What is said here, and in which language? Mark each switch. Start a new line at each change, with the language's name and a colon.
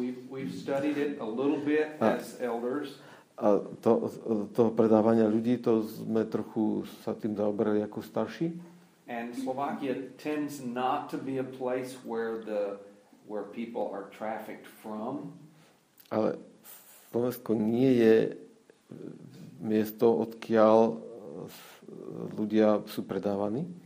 English: We've studied it a little bit as elders.
Slovak: A to predávania ľudí, to sme trochu sa tým zaoberali ako starší.
English: And Slovakia tends not to be a place where people are trafficked from.
Slovak: Ale Slovensko nie je miesto, odkiaľ ľudia sú predávaní.